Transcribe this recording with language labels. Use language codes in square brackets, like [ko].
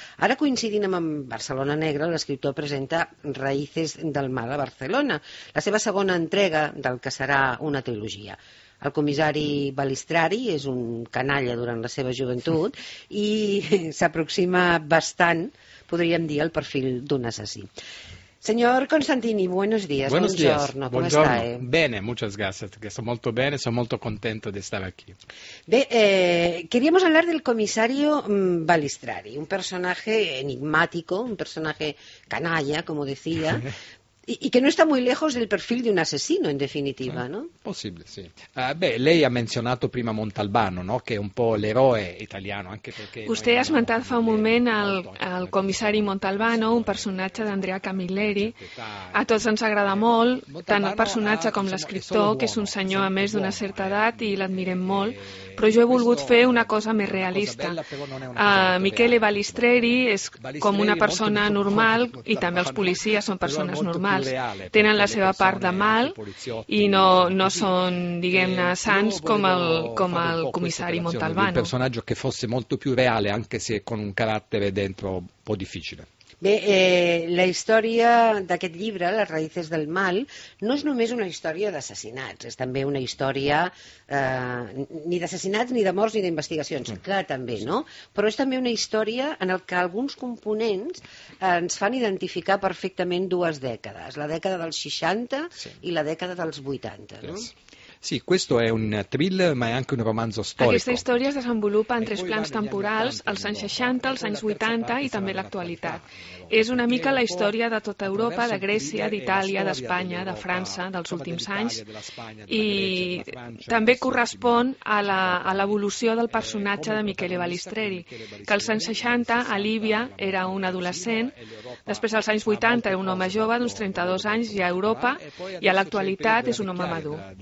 [ca] Ara, coincidint amb Barcelona Negra, l'escriptor presenta Raïces del mal a Barcelona, la seva segona entrega del que serà una trilogia. El comissari Balistrari és un canalla durant la seva joventut i s'aproxima bastant, podríem dir, al perfil d'un assassí. [es] Señor Constantini, buenos días. Buenos días. [it] Buongiorno. [es] ¿Cómo está? [it] Bene, [es] muchas gracias. Estoy muy bien, estoy muy contento de estar aquí. Queríamos hablar del comisario Balistrari, un personaje enigmático, un personaje canalla, como decía, y que no está muy lejos del perfil de un asesino, en definitiva, ¿no? Posible, sí. [it] Lei ha [es] mencionado [it] prima [es] Montalbano, ¿no? Que es un poco el héroe italiano, aunque porque [ca] usted ha esmentat fa un moment al comissari Montalbano, un personatge d'Andrea Camilleri. A tots ens agrada molt, tant el personatge com l'escriptor, que és un senyor a més d'una certa edat i l'admirem molt, però jo he volgut fer una cosa més realista. Michele Balistreri és com una persona normal i també els policies són persones normals. Tenen la seva part de mal i no són, diguem-ne, sants com el comissari Montalbano. Un personatge que fos molt [it] più reale, anche se con un carattere dentro un po' difficile. [ca] Bé, la història d'aquest llibre, Les raïces del mal, no és només una història d'assassinats, és també una història ni d'assassinats, ni de morts, ni d'investigacions, clar, també, no? Però és també una història en el que alguns components ens fan identificar perfectament dues dècades, la dècada dels 60 i la dècada dels 80, no? [it] Sí, questo è un thriller, ma è anche un romanzo storico. [ca] Aquesta història es desenvolupa en tres plans temporals, els anys 60, els anys 80 i també l'actualitat. És una mica la història de tota Europa, de Grècia, d'Itàlia, d'Espanya, de França, dels últims anys, i també correspon a l'evolució del personatge de Michele Balistreri, que als anys 60 a Líbia era un adolescent, després als anys 80 era un home jove d'uns 32 anys i a Europa, i a l'actualitat és un home madur.